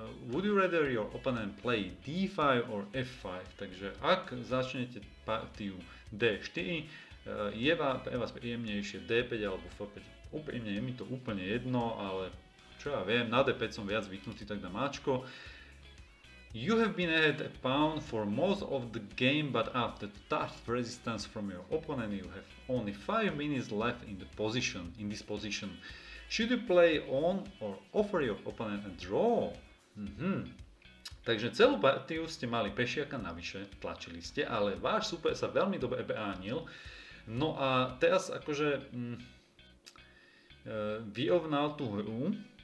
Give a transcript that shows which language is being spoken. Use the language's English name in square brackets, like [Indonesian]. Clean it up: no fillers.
[English] Would you rather your opponent play D5 or F5? [Slovak] Takže ak začnete partiu D4, je pre vás príjemnejšie D5 alebo F5. Úprimne, je mi to úplne jedno, ale čo ja viem, na D5 som viac zvyknutý, tak dám Ačko. [English] You have been ahead a pawn for most of the game, but after tough resistance from your opponent, you have only 5 minutes left in this position. Should you play on or offer your opponent a draw? Mm-hmm. [Slovak] Takže celú partiu ste mali pešiaka navyše, tlačili ste, ale váš super sa veľmi dobre bránil. No a teraz akože vyrovnal tú hru.